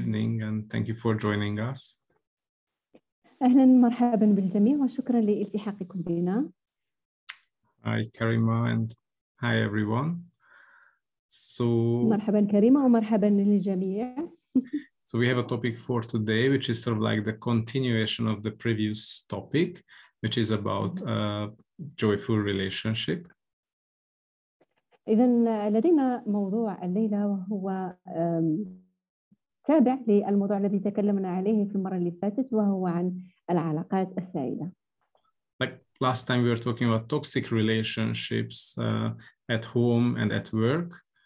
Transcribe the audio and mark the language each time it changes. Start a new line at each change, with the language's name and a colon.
English: evening and thank you for joining us.
Arabic: اهلا مرحبا بالجميع وشكرا لالتحاقكم بنا.
English: Hi Karima and hi everyone.
Arabic: مرحبا كريمه ومرحبا للجميع.
English: So we have a topic for today which is sort of like the continuation of the previous topic which is about a joyful relationship.
Arabic: إذن لدينا موضوع الليلة وهو تابع للموضوع الذي تكلمنا عليه في المرة اللي فاتت وهو عن العلاقات السعيدة.
English: Like last time we were talking about toxic relationships at home and at work.